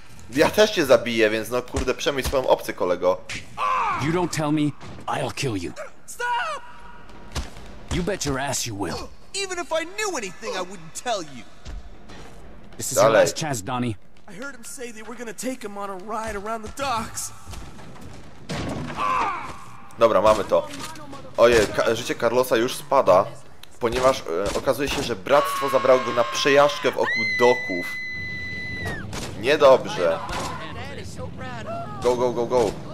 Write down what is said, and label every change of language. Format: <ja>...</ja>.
<pl>Ja też cię zabiję, więc no kurde, przemyśl swoją opcję, kolego.</pl> <en>You don't tell me, I'll kill you. Stop! You bet your ass you will. Even if I knew anything, I wouldn't tell you. This is your last chance, Donnie. I heard him say they were gonna take him on a ride around the docks.</en> <pl>Dobra, mamy to. Ojej, życie Carlosa już spada, ponieważ okazuje się, że bractwo zabrało go na przejażdżkę wokół doków. Niedobrze.</pl> <en>Go, go, go, go.</en>